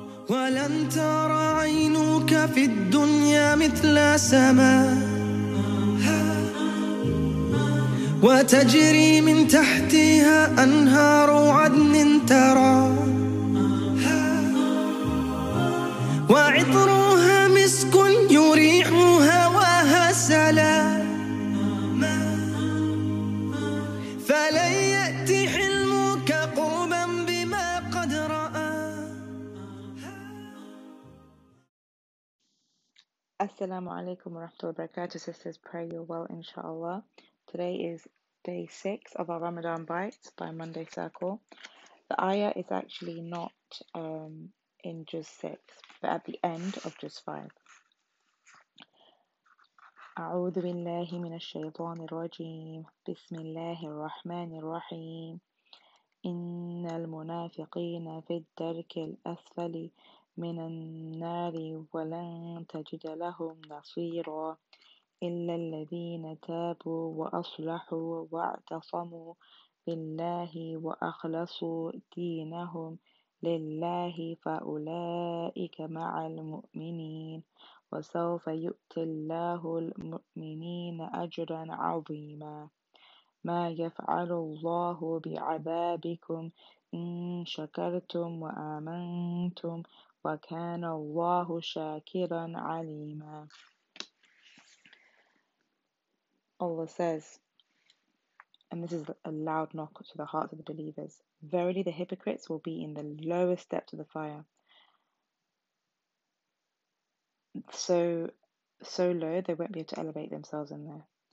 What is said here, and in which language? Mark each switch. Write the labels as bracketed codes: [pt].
[ar] ولن ترى عينك في الدنيا مثل سماء وتجري من تحتها أنهار عدن ترى وعطرها مسك يريح هواها سلاما فلن يأتي حلمك قربا بما قد رأى. السلام عليكم ورحمة الله وبركاته. [en] Sisters, pray you're well, inshallah. Today is day 6 of our Ramadan Bites by Monday Circle. The ayah is actually not in just 6, but at the end of just 5. [ar] A'udhu billahi minash shaytanir rajim. Bismillahir rahmanir rahim. Innal munafiqina fid darkil asfali minan nari walan tajida lahum nasira. إلا الذين تابوا وأصلحوا واعتصموا بالله وأخلصوا دينهم لله فأولئك مع المؤمنين وسوف يؤتي الله المؤمنين أجرا عظيما ما يفعل الله بعذابكم إن شكرتم وآمنتم وكان الله شاكرا عليما. [en] Allah says, and this is a loud knock to the hearts of the believers, verily the hypocrites will be in the lowest depth of the fire. So low, they won't be able to elevate themselves in there.